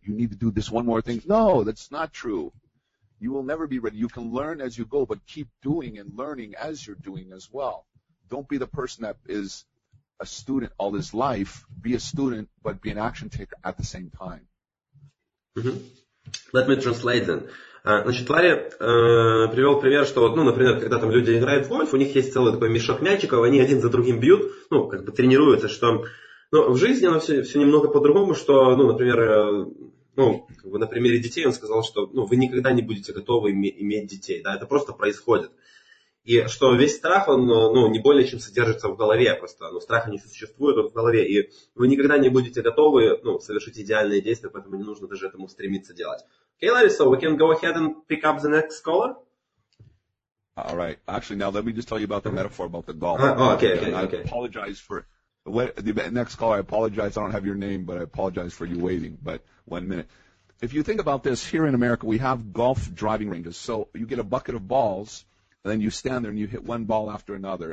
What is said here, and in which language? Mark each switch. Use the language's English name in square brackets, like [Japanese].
[English] You need to do this one more thing. No, that's not true. You will never be ready. You can learn as you go, but keep doing and learning as you're doing as well. Don't be the person that is a student all his life. Be a student, but be an action taker at the same time. Mm-hmm. Let me translate then. [Russian] Значит, Ларри привел пример, что, ну, например, когда там люди играют в гольф, у них есть целый такой мешок мячиков, они один за другим бьют, ну, как бы тренируются, что... Ну, в жизни оно все немного по-другому, что, ну, например... Ну, как бы на примере детей он сказал, что ну, вы никогда не будете готовы иметь детей. Да, это просто происходит. И что весь страх, он ну, не более чем содержится в голове просто. Ну, страха не существует, он в голове. И вы никогда не будете готовы ну, совершить идеальные действия, поэтому не нужно даже этому стремиться делать. [English] Okay, Larry, so we can go ahead and pick up the next caller. All right. Actually, now let me just tell you about the metaphor about the golf. Okay. I apologize for... The next caller, I apologize, I don't have your name, but I apologize for you waiting, but 1 minute. If you think about this, here in America, we have golf driving ranges. So you get a bucket of balls, and then you stand there and you hit one ball after another.